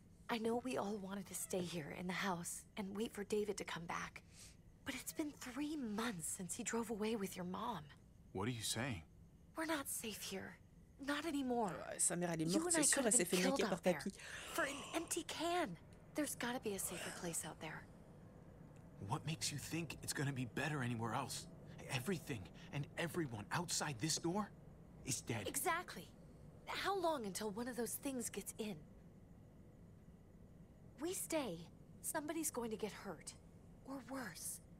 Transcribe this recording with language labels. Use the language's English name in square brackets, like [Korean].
[English] I know we all wanted to stay here in the house and wait for David to come back, but it's been 3 months since he drove away with your mom. What are you saying? We're not safe here, not anymore. [French] Sa mère, elle est morte, c'est sûr, elle s'est fait niquer par papy. [English] For an empty can, there's got to be a safer place out there. What makes you think it's going to be better anywhere else? Everything and everyone outside this door is dead. Exactly. How long until one of those things gets in? We stay, somebody's going to get hurt. Or worse.